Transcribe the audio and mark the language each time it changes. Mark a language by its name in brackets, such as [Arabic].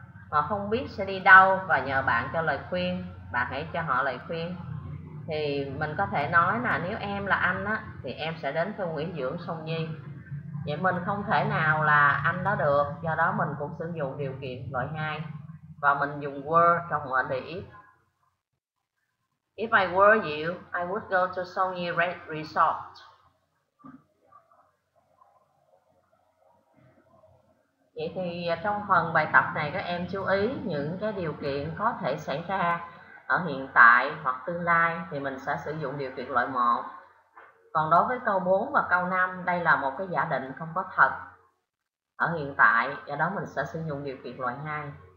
[Vietnamese] Họ không biết sẽ đi đâu và nhờ bạn cho lời khuyên. Bạn hãy cho họ lời khuyên. Thì mình có thể nói là nếu em là anh á, thì em sẽ đến khu nghỉ dưỡng Sông Nhi. Vậy mình không thể nào là anh đó được, do đó mình cũng sử dụng điều kiện loại 2 và mình dùng were trong mệnh đề if. [English] If I were you, I would go to Sông Nhi Resort. [Vietnamese] Vậy thì trong phần bài tập này các em chú ý những cái điều kiện có thể xảy ra ở hiện tại hoặc tương lai thì mình sẽ sử dụng điều kiện loại 1. Còn đối với câu 4 và câu 5, đây là một cái giả định không có thật ở hiện tại, do đó mình sẽ sử dụng điều kiện loại 2.